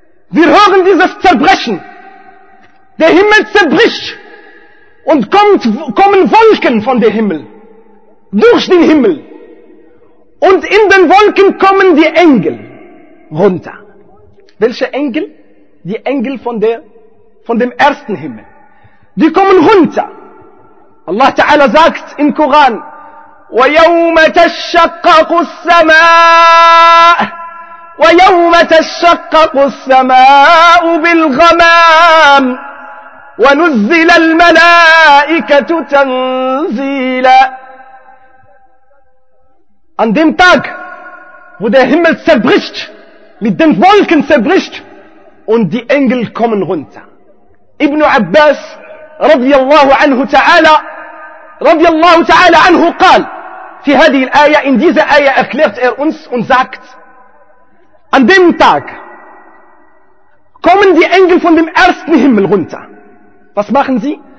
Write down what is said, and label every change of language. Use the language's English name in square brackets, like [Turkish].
[German] Wir hören dieses Zerbrechen. Der Himmel zerbricht und kommen Wolken von dem Himmel, durch den Himmel. Und in den Wolken kommen die Engel runter. Welche Engel? Die Engel von dem ersten Himmel. Die kommen runter. Allah Ta'ala sagt im Koran, [Arabic] وَيَوْمَ تَشَّقَّقُ السَّمَاءُ وَيَوْمَ تَشَّقَّقُ السَّمَاءُ بِالْغَمَامِ وَنُزِّلَ الْمَلَائِكَةُ تَنْزِيلًا. [German] An dem Tag, wo der Himmel zerbricht, mit den Wolken zerbricht, und die Engel kommen runter. Ibn Abbas, radiallahu ta'ala anhu, [Arabic] قال, في هذه الآية, [German] in dieser آية erklärt er uns und sagt, an dem Tag kommen die Engel von dem ersten Himmel runter. Was machen sie?